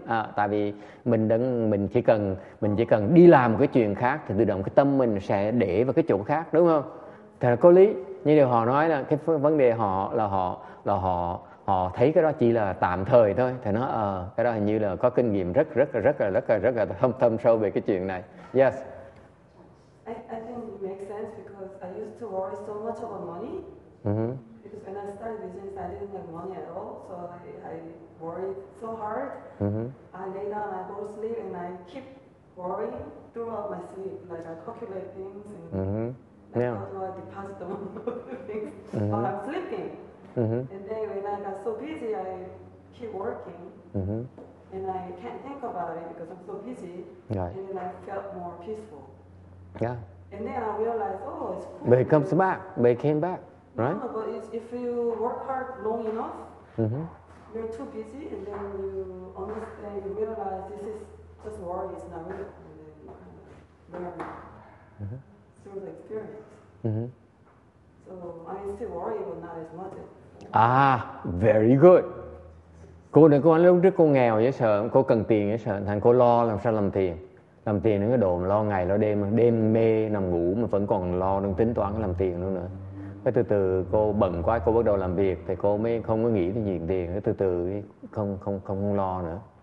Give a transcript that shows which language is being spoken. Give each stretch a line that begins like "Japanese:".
Vietnamese: À, tại vì mình chỉ cần đi làm cái chuyện khác thì tự động cái tâm mình sẽ để vào cái chỗ khác, đúng không? Thật là có lý. Như điều họ nói là cái vấn đề họ là họ thấy cái đó chỉ là tạm thời thôi. Thì nó cái đó hình như là có kinh nghiệm rất là thâm sâu về cái chuyện này.
English: Yes. I think it makes sense because I used to worry so much about money. Mm-hmm. When I started business, I didn't have money at all, so I worried so hard. Mm-hmm. I lay down, I go to sleep, and I keep worrying throughout my sleep. Like, I calculate things, and mm-hmm. like, yeah. How do I deposit the money things mm-hmm. while I'm sleeping? Mm-hmm. And then when I got so busy, I keep working, mm-hmm. and I can't think about it because I'm so busy, right. And then I felt more peaceful. Yeah. And then I realized, oh, it's cool. But it comes back, but it came back. Right? No, but if you work hard long enough, mm-hmm. you're too busy, and then you understand, you realize this is just worry, it's not real, and then you kind of learn mm-hmm. through the experience. Mm-hmm. So I still worry, but not as much. Ah, very good.
Vietnamese: Cô này, cô lúc trước cô nghèo dễ sợ, cô cần tiền dễ sợ, thành cô lo làm sao làm tiền. Làm tiền nữa cái đồ lo ngày lo đêm, đêm mê nằm ngủ mà vẫn còn lo đừng tính toán làm tiền nữa. Cái từ từ cô bận quá, cô bắt đầu làm việc thì cô mới không có nghĩ tới chuyện tiền, cái từ từ không lo nữa.